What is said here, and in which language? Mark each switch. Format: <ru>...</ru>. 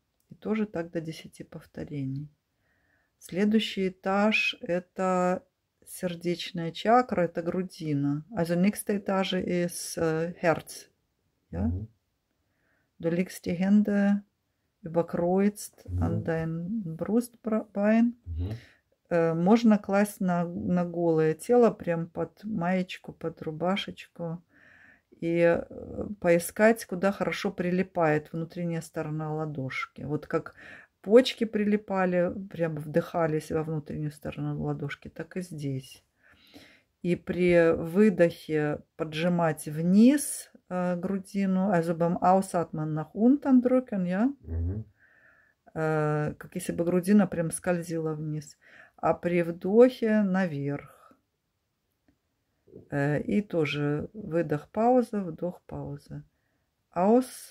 <ru>И тоже так до 10 повторений. Следующий этаж – это сердечная чакра, это грудина.</ru> <de>Also, nächster Etage ist Herz. Ja? Du legst die Hände überkreuzt an dein Brustbein.</de> <ru>Можно класть на голое тело, прям под маечку, под рубашечку, и поискать, куда хорошо прилипает внутренняя сторона ладошки. Вот как почки прилипали, прямо вдыхались во внутреннюю сторону ладошки, так и здесь. И при выдохе поджимать вниз грудину,</ru> <de>also beim Ausatmen nach unten drücken, ja?</de> <ru>Как если бы грудина прям скользила вниз, а при вдохе наверх. И тоже выдох, пауза, вдох, пауза.</ru> <de>Aus.</de>